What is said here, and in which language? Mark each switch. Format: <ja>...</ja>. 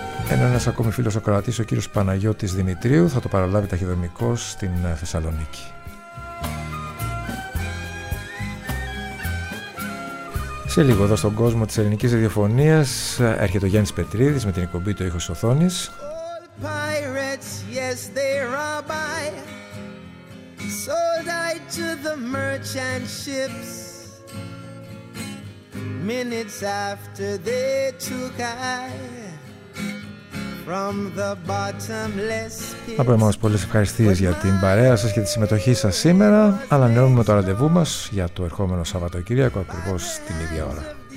<el>Ένας ακόμη φίλος ο Κροατής, ο κύριος Παναγιώτης Δημητρίου, θα το παραλάβει ταχυδρομικός στην Θεσσαλονίκη. Σε λίγο εδώ στον κόσμο της ελληνικής ραδιοφωνίας έρχεται ο Γιάννης Πετρίδης με την εκπομπή του Ήχος Οθόνης.</el> <en>Pirates, yes they rob I. Sold I to the merchant ships. Minutes after they took I from the bottomless pit.</en> <el>Από εμάς πολλές ευχαριστίες για την παρέα σας και τη συμμετοχή σας σήμερα. Ανανεώνουμε το ραντεβού μας για το ερχόμενο Σαββατοκύριακο ακριβώς την ίδια ώρα.</el>